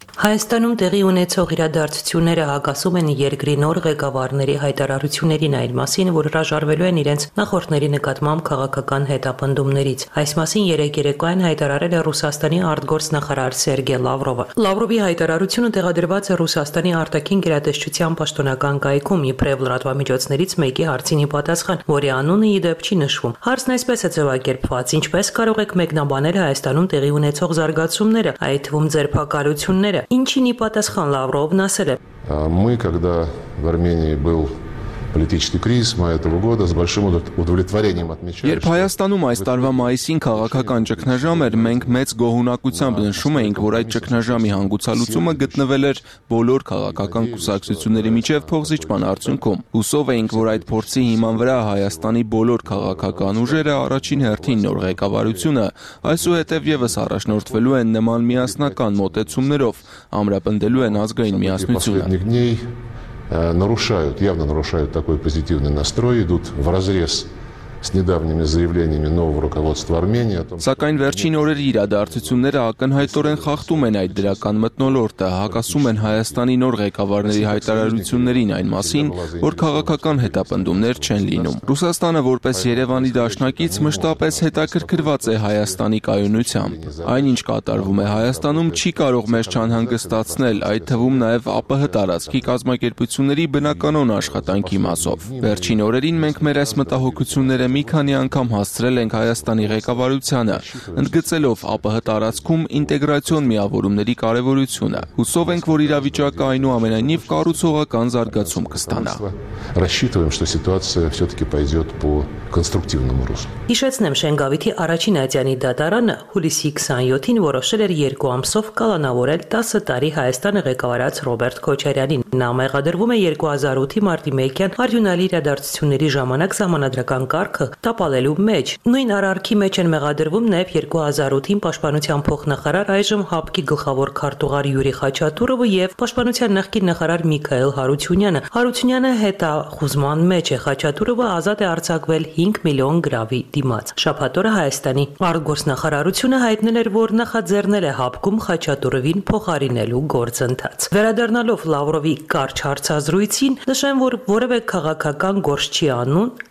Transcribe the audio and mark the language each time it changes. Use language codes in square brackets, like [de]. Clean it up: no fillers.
[hy] Հայաստանում տեղի ունեցող իրադարձությունները հակասում են երկրի նոր ղեկավարների հայտարարություններին, այն մասին, որ հրաժարվելու են իրենց նախորդների նկատմամբ քաղաքական հետապնդումներից։ Այս մասին երեկոյան հայտարարել է Ռուսաստանի արտգործնախարար Սերգեյ Լավրովը։ Լավրովի հայտարարությունը տեղադրված է Ռուսաստանի արտաքին գերատեսչության պաշտոնական կայքում իբրև լրատվամիջոցներից մեկի հարցինի պատասխան, որի անունը ի դեպ չի նշվում։ Հարցն այսպես է ձևակերպված. ինչպես կարող եք մեկնաբանել Հայաստանում տեղի ունեցող զարգացումները, այդ թվում ձերբակալությունները։ Ինչինի պատասխան Լավրովն ասել է. [ru] Мы, когда в Армении был политический кризис мая этого года с большим удовлетворением отмечаю. [hy] Երբ Հայաստանում այս տարվա մայիսին քաղաքական ճգնաժամ էր, մենք մեծ գոհունակությամբ նշում էինք, որ այդ ճգնաժամի հանգուցալուծումը գտնվել էր բոլոր քաղաքական կուսակցությունների միջև փոխզիջման արդյունքում։ Հուսով էինք, որ այդ փորձի հիման վրա Հայաստանի բոլոր քաղաքական ուժերը առաջին հերթին նոր ղեկավարությունը, այսուհետև եւս առաջնորդվելու են նման միասնական մոտեցումներով, ամրապնդելու են ազգային միասնությունը։ [ru] Нарушают, явно нарушают такой позитивный настрой, идут вразрез с недавними заявлениями нового руководства Армении. [hy] Սակայն վերջին օրերի իրադարձությունները ակնհայտորեն խախտում են այդ դրական մտնոլորտը, հակասում են Հայաստանի նոր ղեկավարների հայտարարություններին այն մասին, որ քաղաքական հետապնդումներ չեն լինում։ Ռուսաստանը, որպես Երևանի դաշնակից, մշտապես հետաքրքրված է Հայաստանի կայունությամբ։ Այնինչ կատարվում է Հայաստանում, չի կարող մեզ չանհանգստացնել, այդ թվում նաև ԱՊՀ տարածքի կազմակերպությունների բնականոն աշխատանքի մասով։ Վերջին օրերին մենք մեր այս մտահոգությունը մի քանի անգամ հասցրել ենք Հայաստանի ղեկավարությանը, ընդգծելով ԱՊՀ տարածքում ինտեգրացիոն միավորումների կարևորությունը։ Հուսով ենք, որ իրավիճակը այնուամենայնիվ կառուցողական զարգացում կստանա։ [ru] Рассчитываем, что ситуация всё-таки пойдёт по конструктивному руслу։ [hy] Հիշեցնեմ, Շենգավիթի առաջին Ադյանի դատարանը հուլիսի 27-ին որոշել էր 2 ամսով կալանավորել 10 տարի Հայաստանը ղեկավարած Ռոբերտ Քոչարյանին։ Նա մեղադրվում է 2008-ի մարտի 1-ին արյունալի իրադարձությունների ժամանակ զամանակ կարգը տապալելու մեջ։ Նույն առարկի մեջ են մեղադրվում նաև 2008-ին Պաշտպանության փոխնախարար, այժմ ՀԱՊԿ-ի գլխավոր քարտուղար Յուրի Խաչատուրովը և Պաշտպանության նախկին նախարար Միքայել Հարությունյանը։ Հարությունյանը հետախուզման մեջ է, Խաչատուրովը ազատ է արձակվել 5 միլիոն գրավի դիմաց։ Շաբաթօրը Հայաստանի արտգործնախարարությունը հայտնել էր, որ նախաձեռնել է ՀԱՊԿ-ում Խաչատուրովին փոխարինելու գործընթաց։ Վերադառնալով Լավրովի կարճ հարցազրույցին, նշեմ, որ որևէ քաղաքական գործ չի անում,